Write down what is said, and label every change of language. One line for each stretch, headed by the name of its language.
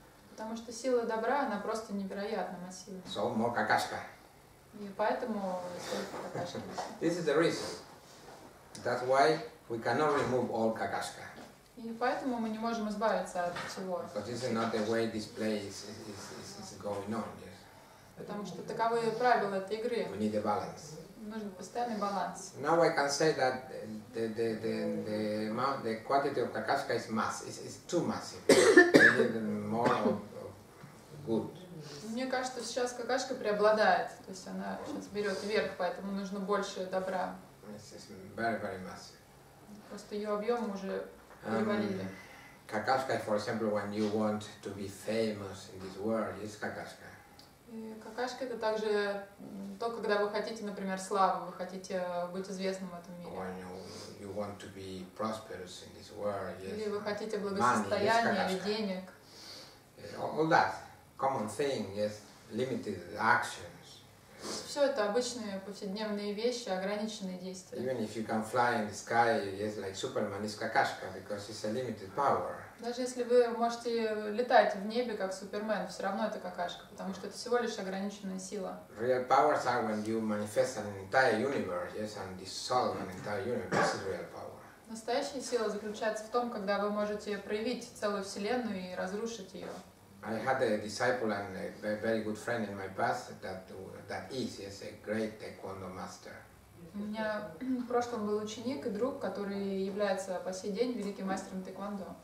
Russian: Потому что сила добра, она просто невероятно массивна.
English: So, more какашка.
Russian: И поэтому столько какашки.
English: This is the reason. That's why we cannot remove all какашка.
Russian: И поэтому мы не можем избавиться от всего.
English: Because this is not the way this play is going on, yes.
Russian: Потому что таковы правила этой игры.
English: We need a balance.
Russian: Нужен постоянный баланс.
English: Now I can say that the amount, the quantity of какашка is massive. It's too massive. We need more of good.
Russian: Мне кажется, сейчас какашка преобладает. То есть она сейчас берет верх, поэтому нужно больше добра.
English: It's very, very massive.
Russian: Просто ее объем уже перевалили.
English: Какашка, for example, when you want to be famous in this world, is какашка.
Russian: Какашка это также то, когда вы хотите, например, славы, вы хотите быть известным в этом мире.
English: When you want to be prosperous in this world, yes.
Russian: Или вы хотите благосостояния или денег.
English: All that common thing, yes, limited actions.
Russian: Все это обычные повседневные вещи, ограниченные действия.
English: Even if you can fly in the sky, yes, like Superman, is какашка, because it's a limited power.
Russian: Даже если вы можете летать в небе, как Супермен, все равно это какашка, потому что это всего лишь ограниченная сила.
English: Real powers are when you manifest an entire universe, yes, and dissolve an entire universe. This is real power.
Russian: Настоящая сила заключается в том, когда вы можете проявить целую вселенную и разрушить ее.
English: I had a disciple and a very good friend in my past that is, yes, a great taekwondo master.
Russian: У меня в прошлом был ученик и друг, который является по сей день великим мастером тэквондо.